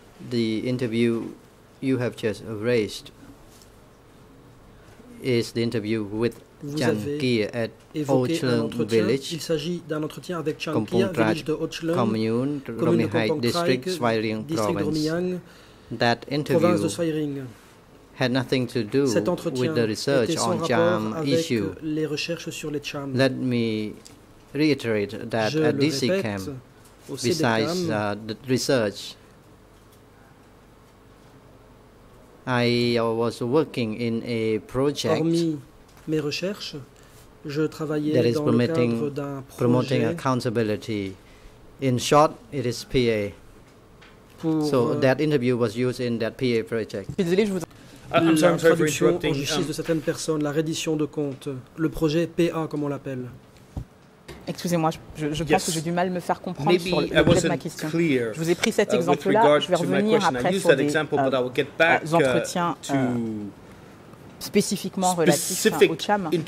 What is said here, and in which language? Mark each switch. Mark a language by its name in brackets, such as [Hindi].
[English] The interview you have just raised is the interview with Chan Kia at Ochleng Village. [French] Il s'agit d'un entretien avec Chan Kia, village de Ochleng, commune de Kompong district, Swiring province. [English] That interview had nothing to do with the research on CHAM issue. [French] Les recherches sur les CHAM. [English] Let me reiterate that at DCCAM, besides the research, I was working in a project that is promoting accountability. In short, it is PA. So that interview was used in that PA project. [French] La traduction en justice de certaines personnes, la reddition de comptes, le projet PA, comme on l'appelle. Excusez-moi, je pense que j'ai du mal à me faire comprendre sur l'objet de ma question. Je vous ai pris cet exemple-là, je vais revenir après sur des entretiens spécifiquement relatifs au CHAM.